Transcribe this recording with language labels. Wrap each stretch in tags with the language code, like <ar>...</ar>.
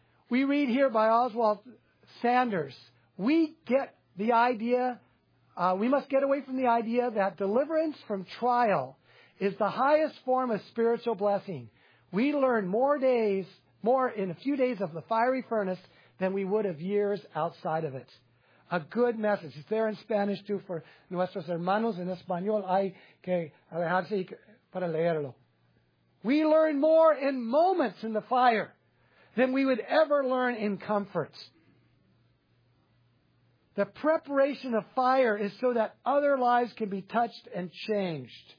<en>We read here by Oswald Sanders. We get the idea, we must get away from the idea that deliverance from trial is the highest form of spiritual blessing. We learn more in a few days of the fiery furnace than we would of years outside of it. A good message. It's there in Spanish too for</en> <es>nuestros hermanos en español. Hay que alejarse para leerlo.</es> <en>We learn more in moments in the fire than we would ever learn in comforts. The preparation of fire is so that other lives can be touched and changed.</en>